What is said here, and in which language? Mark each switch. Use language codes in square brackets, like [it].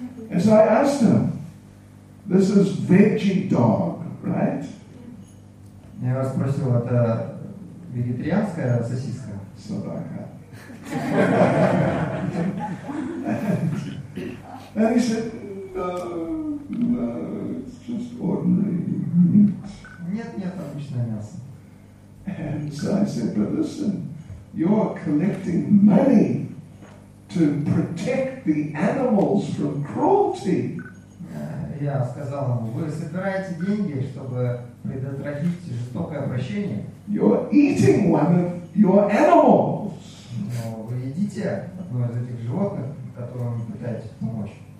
[en] And so I asked him, this is veggie dog. Right? [ru] Я вас спросил, это вегетарианская сосиска? Собака. [en] And he said, no, it's just ordinary meat. [ru] Нет, обычное мясо. [en] And so I said, but listen, you're collecting money to protect the animals from cruelty. [ru] Я сказал ему, вы собираете деньги, чтобы предотвратить жестокое обращение. [en] You're eating one of your animals. [ru] Но вы едите одно из этих животных, которым вы пытаетесь помочь.